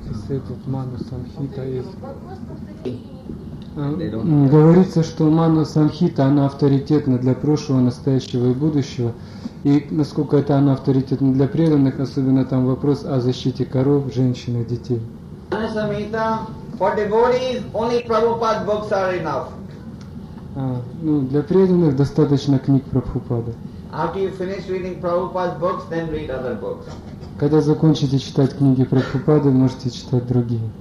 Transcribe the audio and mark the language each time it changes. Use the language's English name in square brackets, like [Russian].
[Russian] этот ману самхита из говорится, что ману самхита она авторитетна для прошлого, настоящего и будущего, и насколько это она авторитетна для преданных, особенно там вопрос о защите коров, женщин и детей. [English] Ману самхита for devotees only Prabhupada's books are enough. [Russian] Ну для преданных достаточно книг Прабхупады. [English] After you finish reading Prabhupada's books, then read other books. [Russian] Когда закончите читать книги Прабхупады, можете читать другие.